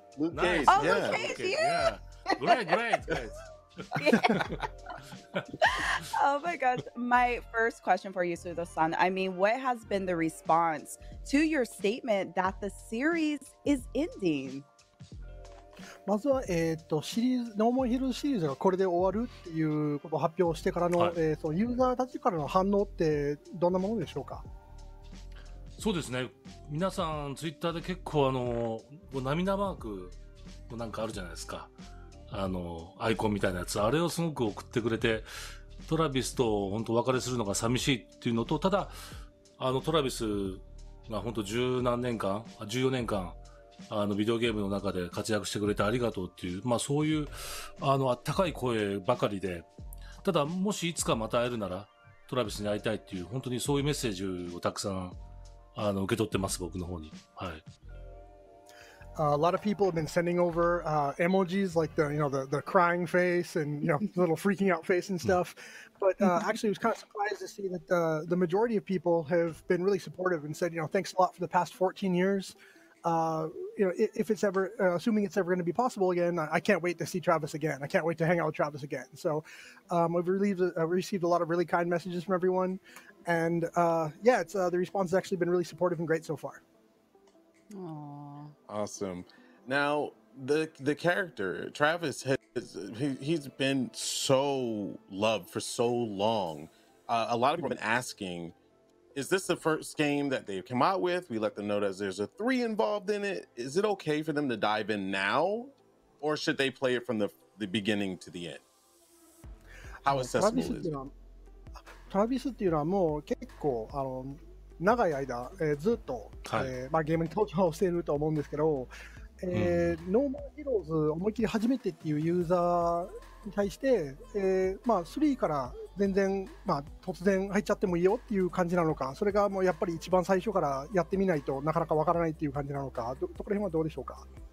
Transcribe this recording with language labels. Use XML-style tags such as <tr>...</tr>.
<en>Nice. Oh, yeah. Luke Cage. Great. Oh my gosh. My first question for you, Suda-san. I mean, what has been the response to your statement that the series is ending?</en> <ja>まずは、シリーズノーモンヒルズシリーズがこれで終わるっていうことを発表してからの、そのユーザーたちからの反応ってどんなものでしょうか。そうですね、皆さんツイッターで結構涙マークなんかあるじゃないですか、アイコンみたいなやつ、あれをすごく送ってくれて、トラビスと本当別れするのが寂しいっていうのと、ただトラビスが本当14年間ビデオゲームの中で活躍してくれてありがとうっていう、まあそういう、あったかい声ばかりで、ただもしいつかまた会えるなら、トラビスに会いたいっていう、本当にそういうメッセージをたくさん、受け取ってます、僕の方に。はい。</ja> <en>A lot of people have been sending over, emojis, like the crying face and, the little freaking out face and stuff. But, actually, I was kind of surprised to see that, the majority of people have been really supportive and said, thanks a lot for the past 14 years. if it's ever, assuming it's ever going to be possible again, I can't wait to see Travis again. I can't wait to hang out with Travis again. So, we've received a lot of really kind messages from everyone. And, the response has actually been really supportive and great so far. Aww. Awesome. Now, the character, Travis, he's been so loved for so long. A lot of people have been asking,Is this the first game that they've come out with? We let them know that there's a 3 involved in it. Is it okay for them to dive in now? Or should they play it from the beginning to the end? How accessible is it?</en> <ja>Travis っていうのはもう結構長い間、ずっと、まあ、ゲームに登場していると思うんですけど、ノーマルヒローズ思いっきり初めてっていうユーザーに対して、まあ、3から全然、まあ、突然入っちゃってもいいよっていう感じなのか、それがもうやっぱり一番最初からやってみないとなかなかわからないっていう感じなのか、そこら辺はどうでしょうか。</ja>